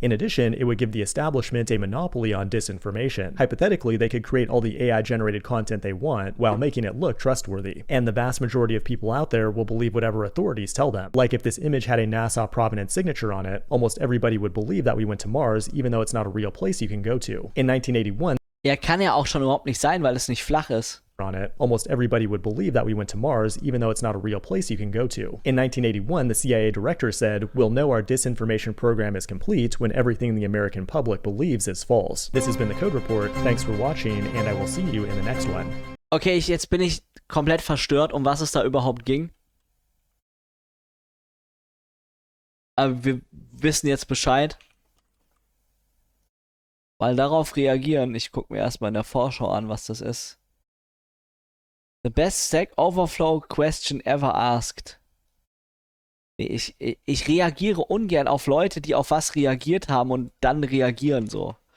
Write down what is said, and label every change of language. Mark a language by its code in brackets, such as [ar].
[en] In addition, it would give the establishment a monopoly on disinformation. Hypothetically, they could create all the AI-generated content they want while making it look trustworthy. And the vast majority of people out there will believe whatever authorities tell them. Like if this image had a NASA provenance signature on it, almost everybody would believe that we went to Mars, even though it's not a real place you can go to. In 1981, [de] kann ja auch schon überhaupt nicht sein, weil es nicht flach ist. [en] On it, almost everybody would believe that we went to Mars, even though it's not a real place you can go to. In 1981, the CIA director said, "We'll know our disinformation program is complete when everything the American public believes is false." This has been the Code Report. Thanks for watching, and I will see you in the next one. [de] Okay, jetzt bin ich komplett verstört, um was es da überhaupt ging. Aber wir wissen jetzt Bescheid. Weil darauf reagieren, ich guck mir erstmal in der Vorschau an, was das ist. [en] The best Stack Overflow question ever asked. [de] Ich reagiere ungern auf Leute, die auf was reagiert haben und dann reagieren so.